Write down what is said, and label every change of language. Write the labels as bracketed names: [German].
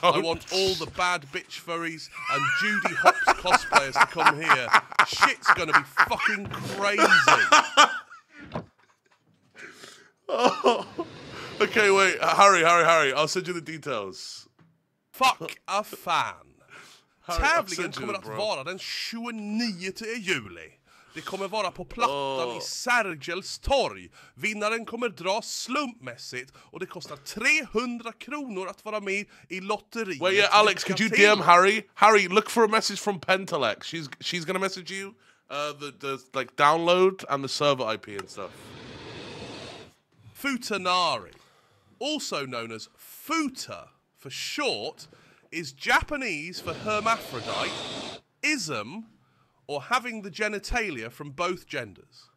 [English] Don't. I want all the bad bitch furries and Judy Hopps cosplayers to come here. Shit's gonna be fucking crazy. Oh. Okay, wait. Harry. I'll send you the details. Fuck a fan. [Swedish] Tävlingen kommer att vara den 29 juli. Det kommer vara på plattan i Sergels torg. Vinnaren kommer dra slumpmässigt och det kostar 300 kronor att vara med i lotteriet. [English] Wait, yeah, Alex, could you DM Harry? Harry, look for a message from Pentalex. She's gonna message you the like download and the server IP and stuff. Futanari, also known as Futa for short, is Japanese for hermaphrodite, ism, or having the genitalia from both genders.